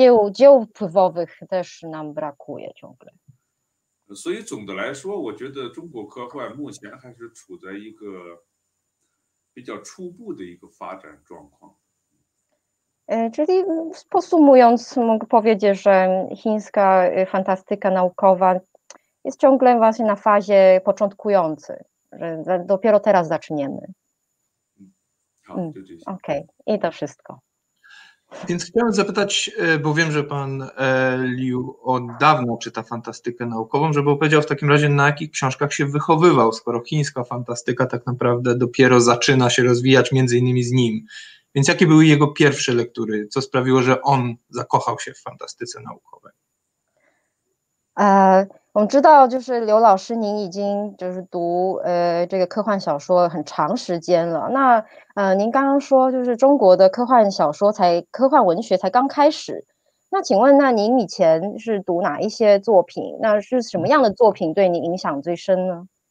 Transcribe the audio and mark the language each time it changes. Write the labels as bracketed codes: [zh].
[pl] Dzieł wpływowych też nam brakuje ciągle. [zh] 所以总的来说，我觉得中国科幻目前还是处在一个比较初步的一个发展状况。 [pl] Czyli podsumując, mogę powiedzieć, że chińska fantastyka naukowa jest ciągle właśnie na fazie początkującej, że dopiero teraz zaczniemy. Okej, okay. I to wszystko. Więc chciałem zapytać, bo wiem, że pan Liu od dawna czyta fantastykę naukową, żeby opowiedział w takim razie, na jakich książkach się wychowywał, skoro chińska fantastyka tak naprawdę dopiero zaczyna się rozwijać między innymi z nim. Więc jakie były jego pierwsze lektury? Co sprawiło, że on zakochał się w fantastyce naukowej? [zh] 我知道，就是刘老师，您已经就是读这个科幻小说很长时间了。那您刚刚说，就是中国的科幻小说才科幻文学才刚开始。那请问，那您以前是读哪一些作品？那是什么样的作品对您影响最深呢？